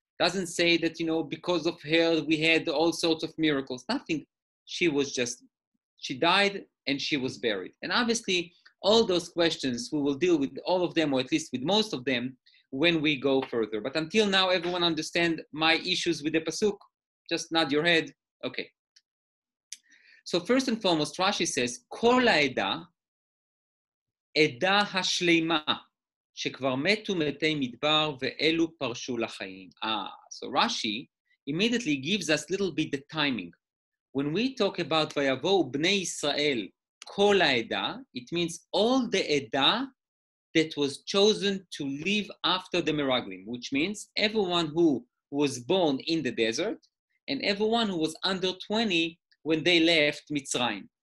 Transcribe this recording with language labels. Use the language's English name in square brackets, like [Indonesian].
[English] Doesn't say that, you know, because of her, we had all sorts of miracles. Nothing. She was just, she died and she was buried. And obviously, all those questions, we will deal with all of them, or at least with most of them, when we go further. But until now, everyone understand my issues with the Pasuk? Just nod your head. Okay. So first and foremost, Rashi says, [Hebrew] Kol ha'eda, עדה השלימה שכבר מתו מתי מדבר ואלו פרשו לחיים. [English] So Rashi immediately gives us a little bit the timing. When we talk about [Hebrew] ויבואו בני ישראל כל העדה, [English] it means all the עדה that was chosen to live after the Meraglim, which means everyone who was born in the desert and everyone who was under 20 when they left Mitzrayim.